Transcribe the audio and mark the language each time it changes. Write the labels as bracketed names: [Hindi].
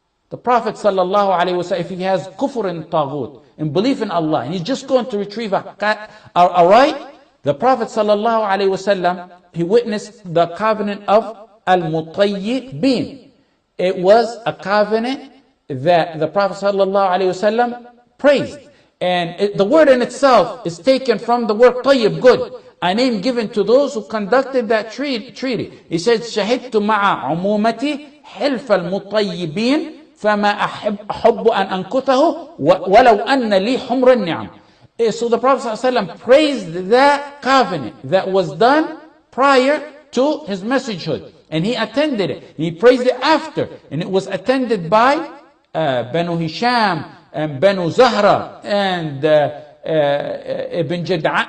[English] The Prophet sallallahu alaihi wasallam, if he has kufr and taghut, and belief in Allah, and he's just going to retrieve a right, the Prophet sallallahu alaihi wasallam, he witnessed the covenant of al-mutayyibin. It was a covenant that the Prophet sallallahu alaihi wasallam praised. And it, the word in itself is taken from the word tayyib, good. A name given to those who conducted that treaty. He said, [Arabic] shahidtu ma'a umumati hilf al-mutayyibin فَمَا أَحُبُّ أَنْ أَنْكُتَهُ وَلَوْ أَنَّ لِي حُمْرَ النِّعْمِ. [English] So the Prophet ﷺ praised that covenant that was done prior to his messengerhood. And he attended it. He praised it after. And it was attended by Banu Hisham and Banu Zahra and Ibn Jad'an.